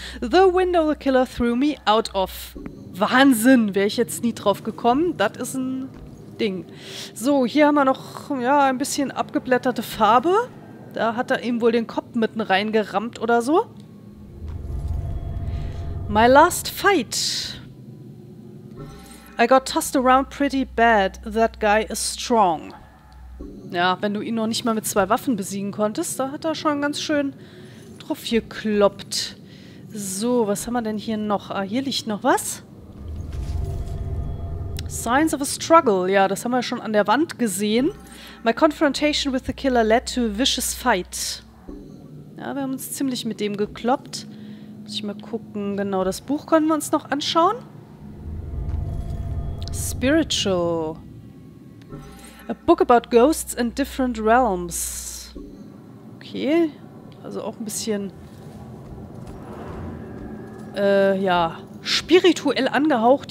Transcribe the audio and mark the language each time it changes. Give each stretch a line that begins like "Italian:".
English: The window the killer threw me out of.
German: Wahnsinn, wäre ich jetzt nie drauf gekommen. Das ist ein Ding. So, hier haben wir noch ja, ein bisschen abgeblätterte Farbe. Da hat er eben wohl den Kopf mitten reingerammt oder so.
English: My last fight. I got tossed around pretty bad. That guy is strong.
German: Ja, wenn du ihn noch nicht mal mit zwei Waffen besiegen konntest, da hat er schon ganz schön drauf gekloppt. So, was haben wir denn hier noch? Ah, hier liegt noch was.
English: Signs of a struggle.
German: Ja, das haben wir schon an der Wand gesehen.
English: My confrontation with the killer led to a vicious fight.
German: Ja, wir haben uns ziemlich mit dem gekloppt. Muss ich mal gucken. Genau, das Buch können wir uns noch anschauen.
English: Spiritual. A book about ghosts in different realms.
German: Okay, also auch ein bisschen ja, spirituell angehaucht.